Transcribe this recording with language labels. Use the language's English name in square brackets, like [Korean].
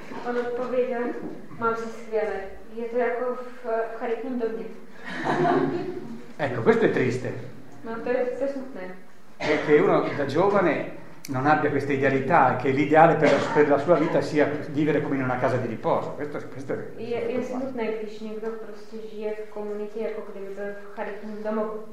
[Czech] On odpověděl, mám se skvěle. Je to jako v charitním domě. [Italian] Ecco, questo è triste. [Czech] No, to je smutné. [Italian] È che uno da giovane non abbia questa idealità, che l'ideale per la sua vita sia vivere come in una casa di riposo. Questo è [Czech] smutné, když někdo prostě žije v komunitě, jako kdyby byl v charitním domu.